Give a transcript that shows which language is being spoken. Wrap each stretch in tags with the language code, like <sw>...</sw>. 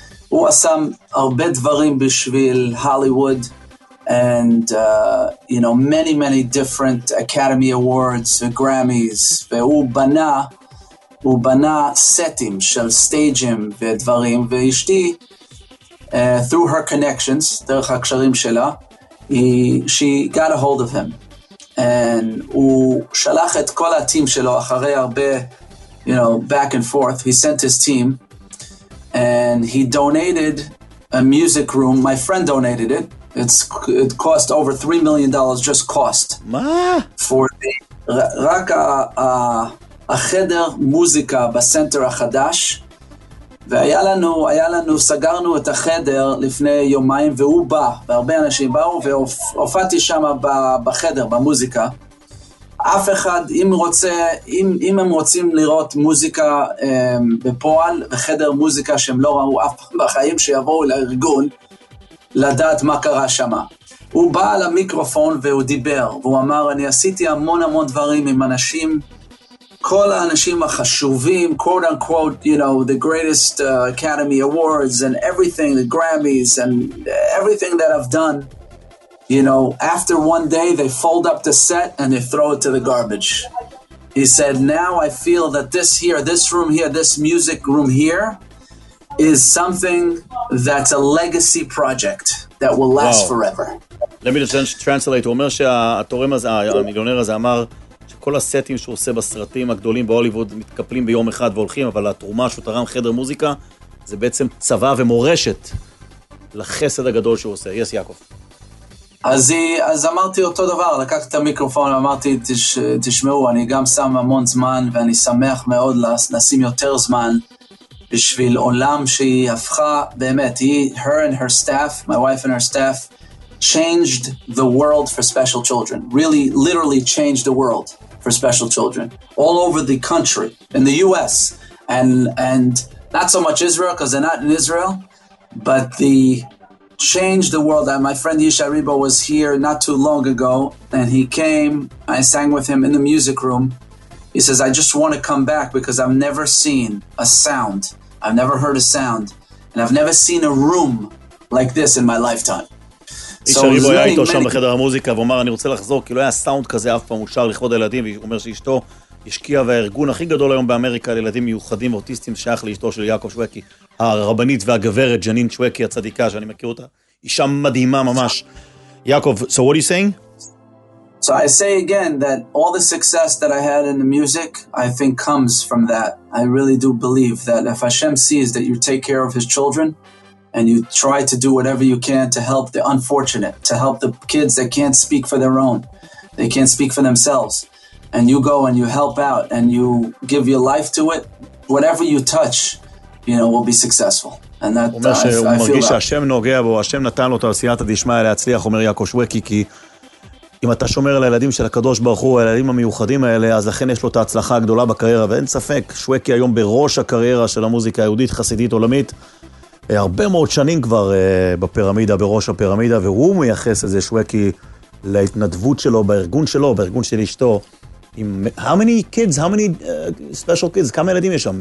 <he>הוא עשה הרבה דברים בשביל הוליווד,</he> <en>and you know, many many different Academy Awards, Grammys,</en> <he>והוא בנה, הוא בנה סטים של סטייג'ים ודברים, ואשתי,</he> <en>through her connections,</en> <he>דרך הקשרים שלה,</he> <en>she got a hold of him. And</en> <he>הוא שלח את כל הטים שלו אחרי הרבה,</he> <en>you know, back and forth. He sent his team, and he donated a music room. My friend donated it. It cost over $3 million, just cost.</en> <he>מה?</he> <en>For the,</en> <he>רק החדר מוזיקה בסנטר החדש, והיה לנו, סגרנו את החדר לפני יומיים, והוא בא, והרבה אנשים באו, והופעתי שם בחדר, במוזיקה. אף אחד, אם הם רוצים לראות מוזיקה בפועל, וחדר מוזיקה שהם לא ראו אף פעם בחיים, שיבואו לארגון, לדעת מה קרה שם. הוא בא למיקרופון והוא דיבר, והוא אמר, אני עשיתי המון המון דברים עם אנשים, כל האנשים החשובים,</he> <en>quote unquote, you know, the greatest Academy Awards and everything, the Grammys and everything that I've done, you know, after one day they fold up the set and they throw it to the garbage. He said, now I feel that this here, this room here, this music room here is something that's a legacy project that will last forever. Let me just translate.</en> <he>הוא אומר שהתורם הזה, המיליונר הזה אמר, כל הסטים שהוא עושה בסרטים הגדולים בהוליווד מתקפלים ביום אחד והולכים, אבל התרומה שהוא תרם חדר מוזיקה, זה בעצם צבא ומורשת לחסד הגדול שהוא עושה. יס, יעקב. אז אמרתי אותו דבר, לקחתי את המיקרופון ואמרתי, תשמעו, אני גם שם המון זמן, ואני שמח מאוד לשים יותר זמן בשביל עולם שהיא הפכה, באמת,</he> <en>her and her staff, my wife and her staff, changed the world for special children. Really, literally changed the world for special children all over the country, in the US, and not so much Israel, because they're not in Israel, but the changed the world. And my friend Yishai Ribo was here not too long ago, and he came, I sang with him in the music room. He says, I just want to come back because I've never seen a sound, I've never heard a sound, and I've never seen a room like this in my lifetime.</en> <he>אישה ריבו היה איתו שם בחדר המוזיקה, והוא אמר, אני רוצה לחזור, כי לא היה סאונד כזה אף פעם, הוא שר לכבוד הילדים, והוא אומר שאשתו השקיעה, והארגון הכי גדול היום באמריקה לילדים מיוחדים ואוטיסטים שייך לאשתו של יעקב שוואקי. הרבנית והגברת ג'נין צ'וקי הצדיקה שאני מכיר אותה, אישה מדהימה ממש.</he> <en>יעקב, so what are you saying? So I say again that all the success that I had in the music, I think comes from that. I really do believe that if Hashem sees that you take care of his children and you try to do whatever you can to help the unfortunate, to help the kids that can't speak for their own, they can't speak for themselves, and you go and you help out and you give your life to it, whatever you touch, you know, will be successful. And that</en> <he>אומר שהוא מרגיש שהשם נוגע בו, השם נתן לו את הסייעתא דשמיא להצליח, אומר יעקב שווקי, כי אם אתה שומר על הילדים של הקדוש ברוך הוא, הילדים המיוחדים האלה, אז לכן יש לו את ההצלחה הגדולה בקריירה, ואין ספק, שווקי היום בראש הקריירה של המוזיקה היהודית חסידית עולמית, הרבה מאוד שנים כבר בפירמידה, בראש הפירמידה, והוא מייחס את זה, שווקי, להתנדבות שלו, בארגון שלו, בארגון של אשתו, עם</he> <en>how many kids, how many special kids,</en> <he>כמה ילדים יש שם?</he>